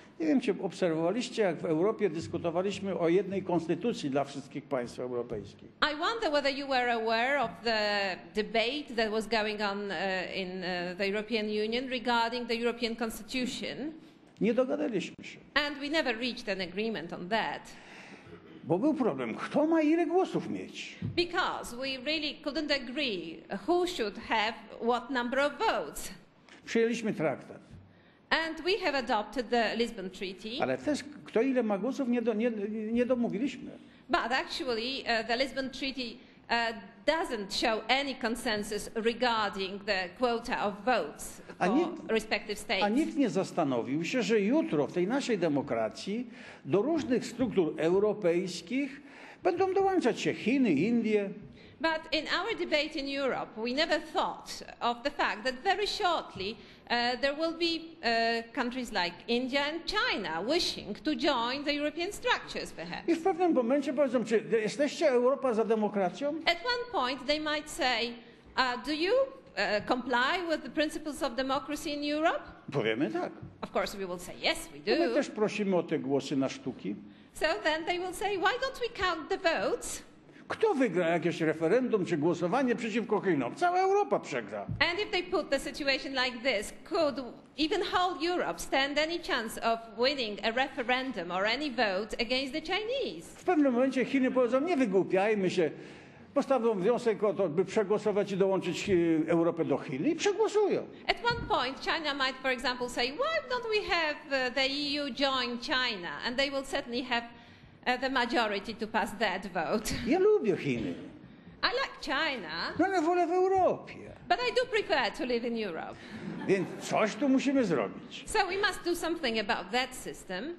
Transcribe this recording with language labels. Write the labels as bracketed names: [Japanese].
[Polish] Nie wiem, czy obserwowaliście, jak w Europie dyskutowaliśmy o jednej konstytucji dla wszystkich państw europejskich. [English] I wonder whether you were aware of the debate that was going on in the European Union regarding the European Constitution. [Polish] Nie dogadaliśmy się. [English] And we never reached an agreement on that. [Polish] Bo był problem, kto ma ile głosów mieć? [English] Because we really couldn't agree who should have what number of votes. [Polish] Przyjęliśmy traktat. [English] And we have adopted the Lisbon Treaty. [Polish] Ale też kto ile ma głosów nie domówiliśmy. [English] But actually the Lisbon Treaty doesn't show any consensus regarding the quota of votes for respective states. [Polish] A nikt nie zastanowił się, że jutro w tej naszej demokracji do różnych struktur europejskich będą dołączać się Chiny, Indie. [English] But in our debate in Europe, we never thought of the fact that very shortly there will be countries like India and China wishing to join the European structures, perhaps. [Polish] I w pewnym momencie powiedzą, czy jesteście Europa za demokracją? [English] At one point they might say, do you comply with the principles of democracy in Europe? [Polish] Powiemy tak. [English] Of course we will say, yes, we do. [Polish] My też prosimy o te głosy na sztuki. [English] So then they will say, why don't we count the votes? [Polish] Kto wygra jakieś referendum czy głosowanie przeciwko Chinom? Cała Europa przegra. [English] And if they put the situation like this, could even whole Europe stand any chance of winning a referendum or any vote against the Chinese? [Polish] W pewnym momencie Chiny powiedzą, nie wygłupiajmy się, postawią wniosek o to, by przegłosować i dołączyć Europę do Chin i przegłosują. [English] At one point China might, for example, say, why don't we have the EU join China? And they will certainly have the majority to pass that vote. [Polish] Ja lubię Chiny. [English] I like China. [Polish] No ale wolę w Europie. [English] But I do prefer to live in Europe. [Polish] Więc coś tu musimy zrobić. [English] So we must do something about that system.